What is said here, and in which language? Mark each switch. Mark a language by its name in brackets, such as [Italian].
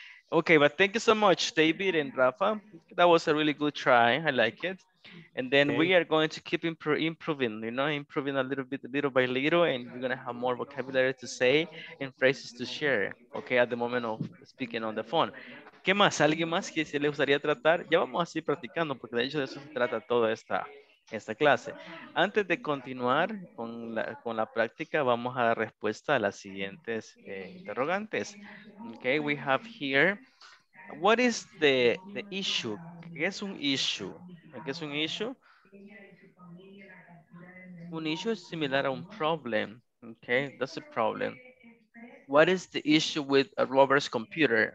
[English] Okay, but thank you so much, David and Rafa. That was a really good try. I like it. And then okay. We are going to keep improving, you know, improving a little bit, little by little, and we're going to have more vocabulary to say and phrases to share, okay, at the moment of speaking on the phone. [Spanish] ¿Qué más? ¿Alguien más que se le gustaría tratar? Ya vamos a seguir practicando, porque de hecho de eso se trata toda esta clase. Antes de continuar con la práctica, vamos a dar respuesta a las siguientes interrogantes. [English] Okay, we have here, what is the issue? [Spanish] ¿Qué es un issue? ¿Qué es un issue? Un issue es similar a un problem. Okay, that's a problem. [English] What is the issue with a Robert's computer?